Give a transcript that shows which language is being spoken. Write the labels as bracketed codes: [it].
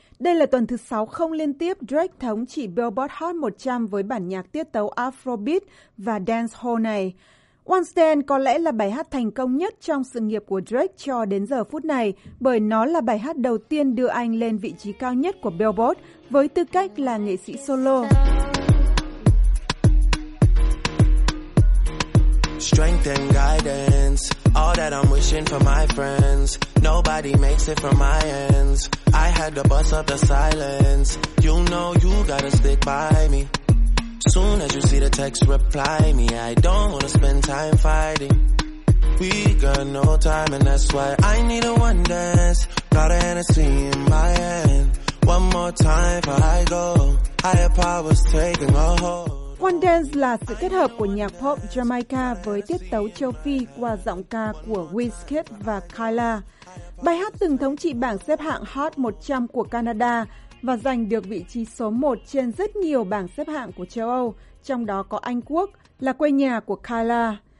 [vi] Đây là tuần thứ 6 không liên tiếp Drake thống trị Billboard Hot 100 với bản nhạc tiết tấu Afrobeat và Dancehall này. One Dance có lẽ là bài hát thành công nhất trong sự nghiệp của Drake cho đến giờ phút này, bởi nó là bài hát đầu tiên đưa anh lên vị trí cao nhất của Billboard với tư cách là nghệ sĩ solo. [en] Strength and guidance, all that I'm wishing for my friends. Nobody makes it from my ends. I had to bust up the silence. You know you gotta stick by me. Soon as you see the text, reply me. I don't wanna spend time fighting. We got no time, and that's why I need a one dance. Got a Hennessy in my hand. One more time before I go. Higher powers taking a hold. [vi] One Dance là sự kết hợp của nhạc pop Jamaica với tiết tấu châu Phi qua giọng ca của Wizkid và Kyla. Bài hát từng thống trị bảng xếp hạng Hot 100 của Canada và giành được vị trí số 1 trên rất nhiều bảng xếp hạng của châu Âu, trong đó có Anh Quốc, là quê nhà của Kyla.